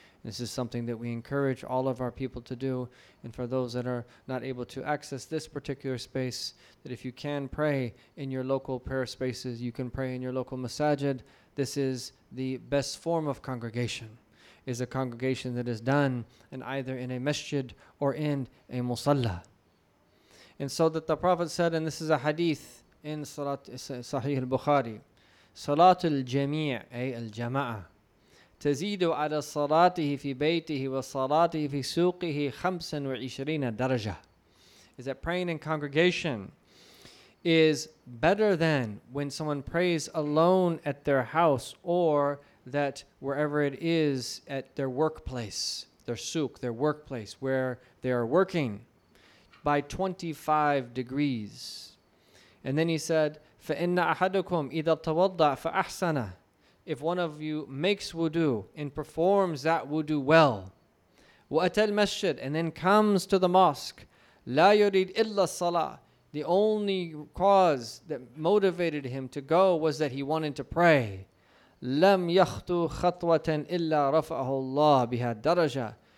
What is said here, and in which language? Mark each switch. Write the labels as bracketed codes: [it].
[en] This is something that we encourage all of our people to do. And for those that are not able to access this particular space, that if you can pray in your local prayer spaces, you can pray in your local masajid. This is the best form of congregation, is a congregation that is done in either in a masjid or in a musalla. And so that the Prophet said, and this is a hadith in Salat Sahih al-Bukhari, [ar] صلاة الجميع أي الجماعة تزيد على صلاته في بيته وصلاته في سوقه 25 درجة. [en] Is that praying in congregation is better than when someone prays alone at their house or that wherever it is at their workplace, their souk, their workplace, where they are working by 25 degrees. And then he said, [ar] فَإِنَّ أَحَدُكُمْ إِذَا تَوَضَّعْ فَأَحْسَنَ. [en] If one of you makes wudu and performs that wudu well, [ar] وَأَتَى الْمَسْجِدْ, [en] and then comes to the mosque, [ar] لَا يُرِيدْ إِلَّا الصَّلَاةِ, [en] the only cause that motivated him to go was that he wanted to pray. [ar] لَمْ يَخْطُوا خَطْوَةً إِلَّا رَفَعَهُ اللَّهُ بِهَا دَرَجَةً.